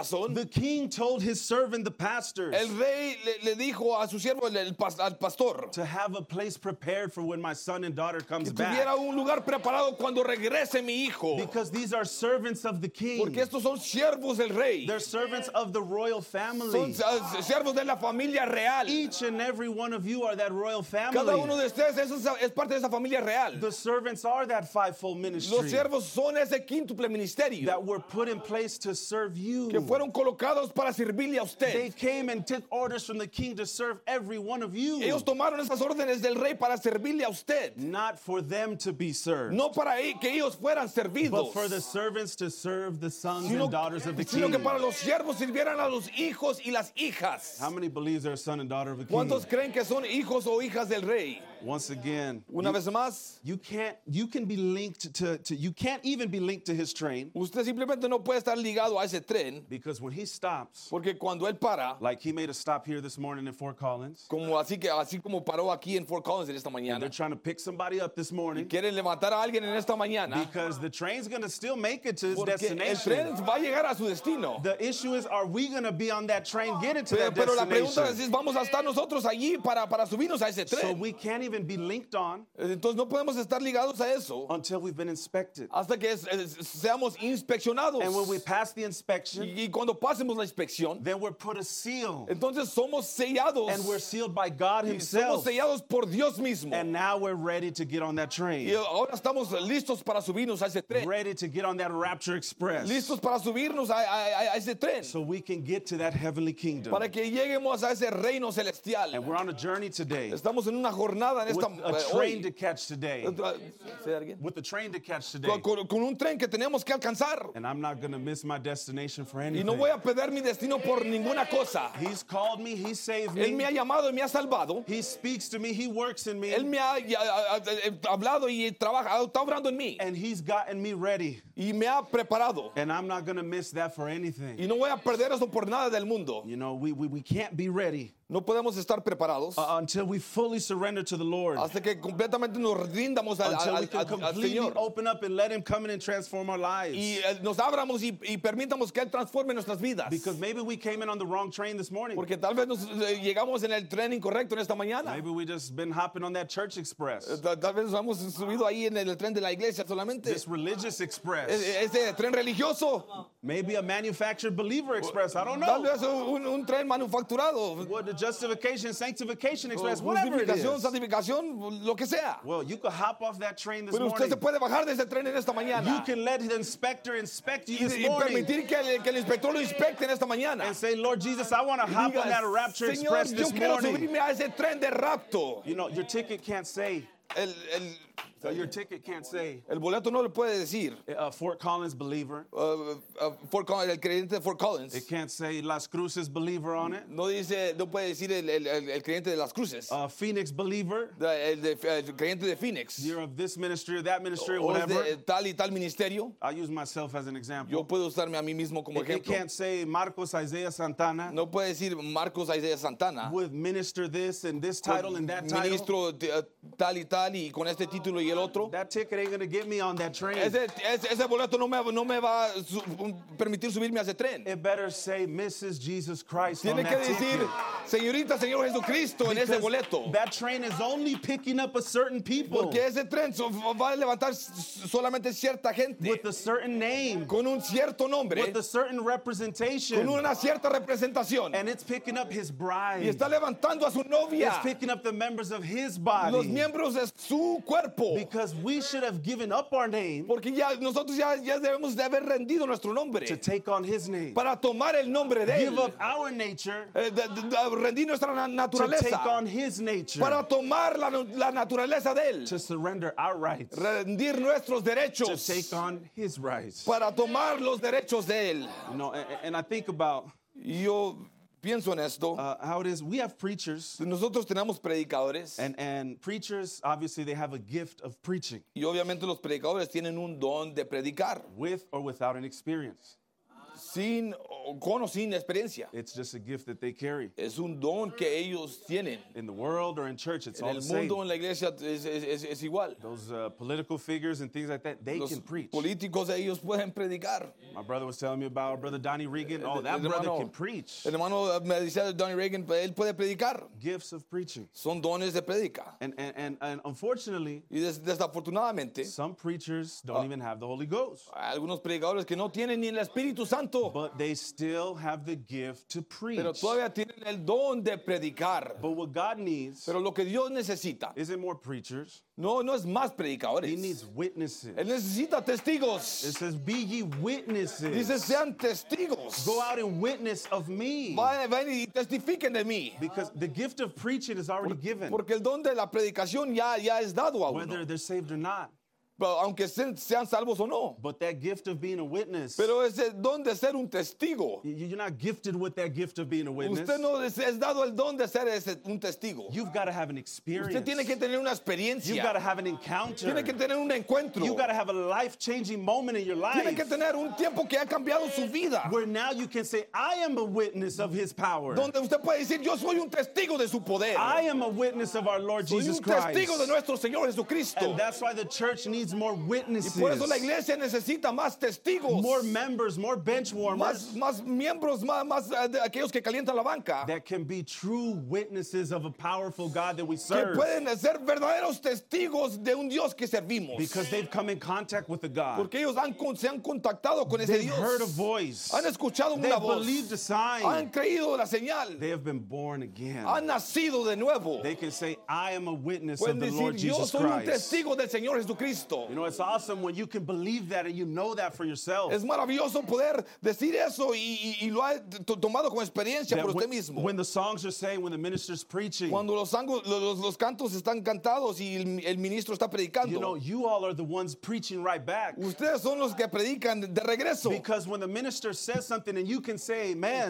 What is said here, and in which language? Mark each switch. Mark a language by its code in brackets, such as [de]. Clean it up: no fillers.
[en] The king told his servant, the pastors, [es] el rey le dijo a su siervo, al pastor, [en] to have a place prepared for when my son and daughter comes [es] que tuviera [en] back. [es] Un lugar preparado cuando regrese mi hijo. [en] Because these are servants of the king. [es] Porque estos son siervos del rey. [en] They're servants of the royal family. [es] Son siervos de la familia real. [en] Each and every one of you are that royal family. [es] Cada uno de ustedes es parte de esa familia real. [en] The servants are that fivefold ministry. [es] Los siervos son ese quíntuple ministerio [en] that were put in place to serve you. [es] Que fueron colocados para servirle a usted. [en] They came and took orders from the king to serve every one of you. [es] Ellos tomaron esas órdenes del rey para servirle a usted. [en] Not for them to be served. [es] No para que ellos fueran servidos. [en] But for the servants to serve the sons and daughters of the king. [es] Sino que para los siervos sirvieran a los hijos y las hijas. [en] How many believe they're a son and daughter of a king? [es] ¿Cuántos creen que son hijos o hijas del rey? [en] Once again, [es] una vez más, [en] you can't even be linked to his train. [es] Usted simplemente no puede estar ligado a ese tren. [en] Because when he stops, [es] porque cuando él para, [en] like he made a stop here this morning in Fort Collins. [es] Como así como paró aquí en Fort Collins en esta mañana. [en] And they're trying to pick somebody up this morning. [es] Quieren levantar a alguien en esta mañana. [en] Because the train's gonna still make it to his [es] porque [en] destination. [es] El tren va a llegar a su destino. [en] The issue is, are we gonna be on that train getting to that destination? [es] Pero la pregunta es, ¿vamos a estar nosotros allí para subirnos a ese tren? [en] So we can't even be linked on. [es] Entonces no podemos estar ligados a eso. [en] Until we've been inspected. [es] Hasta que seamos inspeccionados. [en] And when we pass the inspection, [es] y cuando pasemos la inspección, [en] then we're put a seal. [es] Entonces somos sellados. [en] And we're sealed by God Himself. [es] Somos sellados por Dios mismo. [en] And now we're ready to get on that train. [es] Y ahora estamos listos para subirnos a ese tren. [en] Ready to get on that Rapture Express. [es] Listos para subirnos a ese tren. [en] So we can get to that heavenly kingdom. [es] Para que lleguemos a ese reino celestial. [en] And we're on a journey today. [es] Estamos en una jornada en esta hoy. [en] With a train to catch today. Say that again. With a train to catch today. [es] Con un tren que tenemos que alcanzar. [en] And I'm not going to miss my destination for anything. [es] Y no voy a perder mi destino por ninguna cosa. [en] He's called me, he saved me. [es] Él me ha llamado y me ha salvado. [en] He speaks to me, he works in me. [es] Él me ha hablado y trabaja, está obrando en mí. [en] And he's gotten me ready. [es] Y me ha preparado. [en] And I'm not going to miss that for anything. [es] Y no voy a perder eso por nada del mundo. [en] You know, we can't be ready. [es] No podemos estar preparados. [en] Until we fully surrender to the Lord. [es] Hasta que completamente nos rindamos al Señor. [en] Until we can completely open up and let Him come in and transform our lives. [es] Y nos abramos y permitamos que Él transforme nuestras vidas. [en] Because maybe we came in on the wrong train this morning. [es] Porque tal vez nos llegamos en el tren incorrecto en esta mañana. [en] Maybe we just been hopping on that church express. [es] Tal vez nos hemos subido ahí en el tren de la iglesia solamente. [en] This religious express. [es] Ese tren religioso. [en] Maybe a manufactured believer express. I don't know. [es] Tal vez un tren manufacturado. [en] Justification, sanctification express, whatever it is. [es] Santificación, lo que sea. [en] Well, you could hop off that train this [es] pero usted [en] morning. [es] Se puede bajar de ese tren en esta mañana. [en] You can let the inspector inspect you this [es] y [en] morning. [es] Permitir que el inspector lo inspecte en esta mañana. [en] And say, Lord Jesus, I want to hop on that Rapture [es] Señor, [en] Express this [es] yo quiero [en] morning. [es] Subirme a ese tren de Rapto. [en] You know, your ticket can't say. So your ticket can't say. [es] El boleto no le puede decir. [en] A Fort Collins believer. [es] Fort Collins, el creyente de Fort Collins. [en] It can't say Las Cruces believer on it. [es] No dice, no puede decir el creyente de Las Cruces. [en] A Phoenix believer. [es] El creyente de Phoenix. [en] You're of this ministry or that ministry or whatever. [es] O de tal y tal ministerio. [en] I use myself as an example. [es] Yo puedo usarme a mí mismo como ejemplo. [en] It can't say Marcos Isaiah Santana. [es] No puede decir Marcos Isaiah Santana. [en] With minister this and this title and that title. [es] Ministro tal y tal y con este título. Y el otro. [en] That ticket ain't gonna get me on that train. [es] Ese boleto no me va a permitir subirme a ese tren. [en] It better say Mrs. Jesus Christ. [es] Tiene [en] on [es] que [en] that [es] decir [en] ticket. [es] Señorita, Señor Jesucristo [en] because [es] en ese boleto. [en] That train is only picking up a certain people. [es] Porque ese tren va a levantar solamente cierta gente. [en] With a certain name. [es] Con un cierto nombre. [en] With a certain representation. [es] Con una cierta representación. [en] And it's picking up his bride. [es] Y está levantando a su novia. [en] It's picking up the members of his body. [es] Los miembros de su cuerpo. [en] Because we should have given up our name. [es] Porque ya nosotros ya debemos de haber rendido nuestro nombre. [en] To take on his name. [es] Para tomar el nombre de él. [en] Give up our nature. [es] Rendir nuestra naturaleza. [en] To take on his nature. [es] Para tomar la naturaleza de él. [en] To surrender our rights. [es] Rendir nuestros derechos. [en] To take on his rights. [es] Para tomar los derechos de él. [en] You know, and I think about [es] yo pienso en esto. [en] How it is, we have preachers. [es] Nosotros tenemos predicadores. [en] And preachers, obviously, they have a gift of preaching. [es] Y obviamente los predicadores tienen un don de predicar. [en] With or without an experience. [es] Sin, con o sin experiencia. [en] It's just a gift that they carry. [es] Es un don que ellos tienen. [en] In the world or in church, it's [es] en [en] all [es] el [en] the [es] mundo, [en] same. [es] En la iglesia es igual. [en] Those political figures and things like that, they [es] los [en] can preach. [es] Políticos, ellos pueden predicar. [en] My brother was telling me about our brother Donnie Regan. Oh, that brother [es] hermano, [en] can preach. [es] El hermano me decía de Donnie Regan, él puede predicar. [en] Gifts of preaching. [es] Son dones de predica. [en] And unfortunately, [es] y desafortunadamente, [en] some preachers don't even have the Holy Ghost. [es] Algunos predicadores que no tienen ni el Espíritu Santo. [en] But they still have the gift to preach. [es] Pero todavía tienen el don de predicar. [en] But what God needs, [es] pero lo que Dios necesita, [en] isn't more preachers. [es] No es más predicadores. [en] He needs witnesses. [es] Él necesita testigos. [en] It says, be ye witnesses. [es] Dice, sean testigos. [en] Go out and witness of me. [es] Vayan y testifiquen de mí. [en] Because the gift of preaching is already given. [es] Porque el don de la predicación ya es dado a uno. [en] Whether they're saved or not. [es] But aunque sean salvos o no. [en] But that gift of being a witness. [es] Pero ese don de ser un testigo. [en] You're not gifted with that gift of being a witness. [es] Usted no es dado el don de ser ese, un testigo. [en] You've got to have an experience. [es] Usted tiene que tener una experiencia. [en] You've got to have an encounter. [es] Tiene que tener un encuentro. [en] You've got to have a life-changing moment in your life. [es] Tiene que tener un tiempo que ha cambiado su vida. [en] Where now you can say, I am a witness of his power. [es] Donde usted puede decir, yo soy un testigo de su poder. [en] I am a witness of our Lord Jesus Christ. [es] Soy un testigo de nuestro Señor Jesucristo. [en] And that's why the church needs more witnesses. [es] Y por eso la iglesia necesita más testigos. [en] More members, more bench warmers. [es] Más miembros, más aquellos que calientan la banca. [en] That can be true witnesses of a powerful God that we serve. [es] Que pueden ser verdaderos testigos de un Dios que servimos. [en] Because they've come in contact with the God. [es] Porque ellos se han contactado con ese Dios. [en] They've heard a voice. [es] Han escuchado una voz. [en] They've believed a sign. [es] Han creído la señal. [en] They have been born again. [es] Han nacido de nuevo. [en] They can say, I am a witness [es] pueden [en] of the [es] decir, [en] Lord Jesus Christ. [es] Yo soy un testigo del Señor Jesucristo. [en] You know, it's awesome when you can believe that and you know that for yourself. [es] Es maravilloso poder decir eso y lo ha tomado como experiencia por usted mismo. [en] When the songs are saying, when the minister's preaching. [es] Cuando los cantos están cantados y el ministro está predicando. [en] You know, you all are the ones preaching right back. [es] Ustedes son los que predican de regreso. [en] Because when the minister says something and you can say amen.